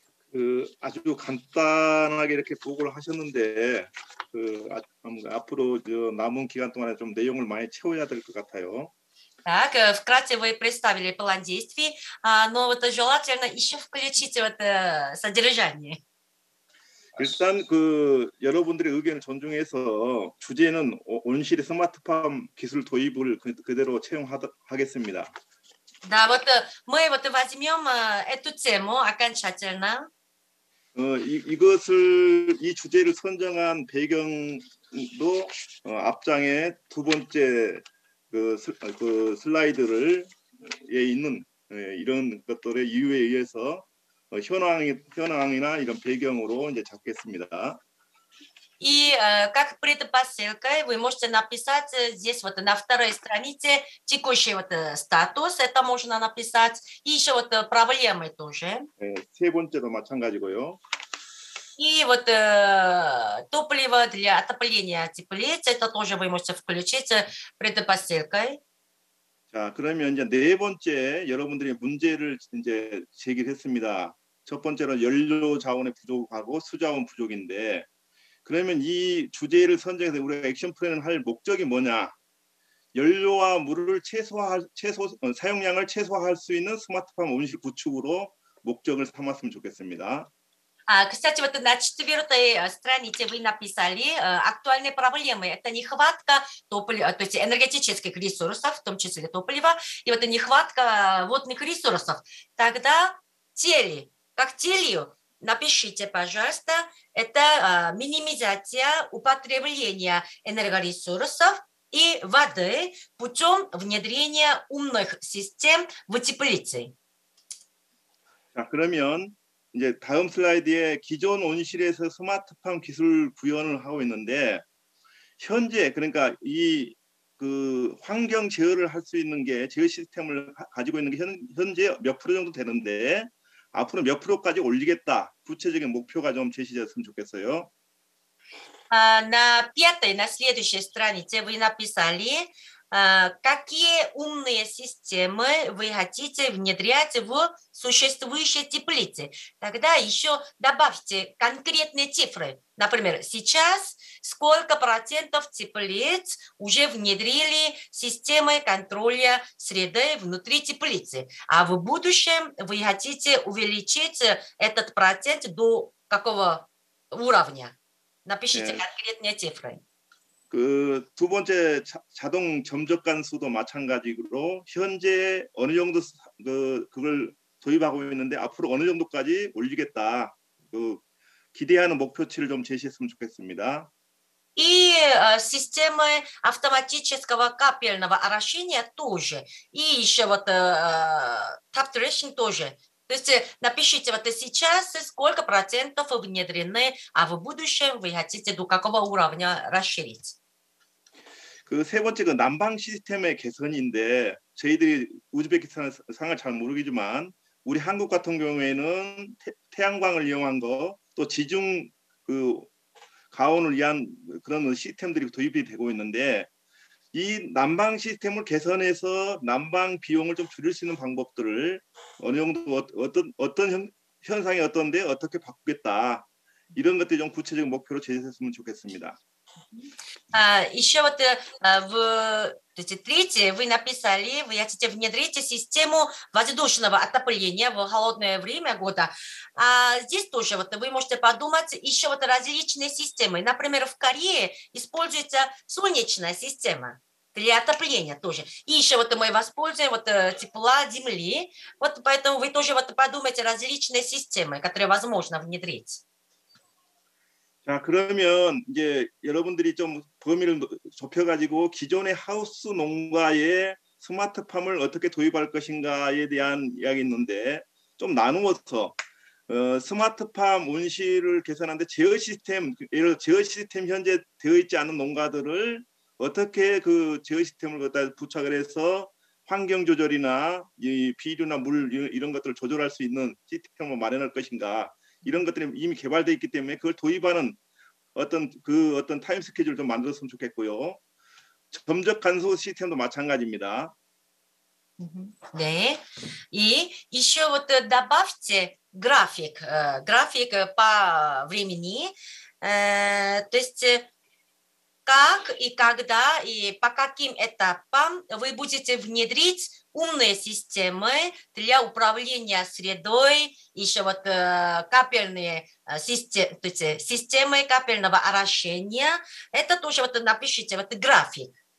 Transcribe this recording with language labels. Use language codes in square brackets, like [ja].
[ko] 그 아주 간단하게 이렇게 보고를 하셨는데. 앞으로 남은 기간 동안에 좀 내용을 많이 채워야 될 것 같아요. [ru] Так, вкратце вы представили план действий, но вот желательно еще включить вот содержание. [ko] 일단 그 여러분들의 의견을 존중해서 주제는 온실의 스마트팜 기술 도입을 그대로 채용하겠습니다. [ru] Да, вот мы вот возьмем эту тему окончательно. [ko] 이것을 이 주제를 선정한 배경도 앞장에 두 번째 그 슬라이드를 에 있는 이런 것들의 이유에 의해서 현황이나 이런 배경으로 이제 잡겠습니다. [ru] И как предпосылка, вы можете написать здесь вот на второй странице текущий вот статус, это можно написать, и еще вот проблемы тоже. [ko] 세 번째도 마찬가지고요. [ru] И вот топливо для отопления теплиц, это тоже вы можете включить предпосылкой. [ko] 자, 그러면 이제 네 번째 여러분들이 문제를 이제 제기했습니다. 첫 번째로 연료 자원의 부족하고 수자원 부족인데, 그러면 이 주제를 선정해서 우리가 액션 플랜을 할 목적이 뭐냐? 연료와 물을 사용량을 최소화할 수 있는 스마트팜 온실 구축으로 목적을 삼았으면 좋겠습니다. [ru] Кстати, вот на четвертой странице вы написали актуальные проблемы. Это нехватка топлива, то есть энергетических ресурсов, в том числе топлива, и вот нехватка водных ресурсов. Тогда цели, как целью, напишите, пожалуйста, это минимизация употребления энергоресурсов и воды путем внедрения умных систем в теплице. [ko] 이제 다음 슬라이드에 기존 온실에서 스마트팜 기술 구현을 하고 있는데 현재 그러니까 이 그 환경 제어를 할 수 있는 게 제어 시스템을 가지고 있는 게 현재 몇 프로 정도 되는데 앞으로 몇 프로까지 올리겠다 구체적인 목표가 좀 제시되었으면 좋겠어요. [ru] На пятой, на следующей странице вы написали, какие умные системы вы хотите внедрять в существующие теплицы. Тогда еще добавьте конкретные цифры. Например, сейчас сколько процентов теплиц уже внедрили системы контроля среды внутри теплицы. А в будущем вы хотите увеличить этот процент до какого уровня? Напишите конкретные цифры. [ko] 그 두 번째 자동 점적 간수도 마찬가지로 현재 어느 정도 그걸 도입하고 있는데 앞으로 어느 정도까지 올리겠다 그 기대하는 목표치를 좀 제시했으면 좋겠습니다. [ru] И системы автоматического капельного орошения тоже. И еще вот tap dressing тоже. То есть напишите вот сейчас сколько процентов внедрены, а в будущем вы хотите до какого уровня расширить. [ko] 그 세 번째 그 난방 시스템의 개선인데 저희들이 우즈베키스탄 상황을 잘 모르겠지만 우리 한국 같은 경우에는 태양광을 이용한 거 또 지중 그 가온을 위한 그런 시스템들이 도입이 되고 있는데 이 난방 시스템을 개선해서 난방 비용을 좀 줄일 수 있는 방법들을 어느 정도 어떤 현상이 어떤데 어떻게 바꾸겠다 이런 것들이 좀 구체적인 목표로 제시했으면 좋겠습니다. [ru] Еще вот в третье вы написали, вы хотите внедрить систему воздушного отопления в холодное время года. А здесь тоже вот вы можете подумать еще вот различные системы. Например, в Корее используется солнечная система для отопления тоже. И еще вот мы воспользуем вот тепла земли. Вот поэтому вы тоже вот подумайте различные системы, которые возможно внедрить. [ko] 자, 그러면 이제 여러분들이 좀 범위를 좁혀가지고 기존의 하우스 농가에 스마트팜을 어떻게 도입할 것인가에 대한 이야기 있는데 좀 나누어서 스마트팜 온실을 개선하는데 제어 시스템, 예를 들어 제어 시스템 현재 되어 있지 않은 농가들을 어떻게 그 제어 시스템을 갖다 부착을 해서 환경 조절이나 이 비료나 물 이런 것들을 조절할 수 있는 시스템을 마련할 것인가, 이런 것들이 이미 개발되어 있기 때문에 그걸 도입하는 어떤 그 어떤 타임 스케줄을 좀 만들었으면 좋겠고요. 점적 간소 시스템도 마찬가지입니다. 네. [ru] 이 ещё вот добавьте график, график по времени. То есть как и когда и по каким этапам вы будете внедрить умные системы для управления средой, еще вот капельные системы, то есть системы капельного орошения, это тоже вот напишите вот график.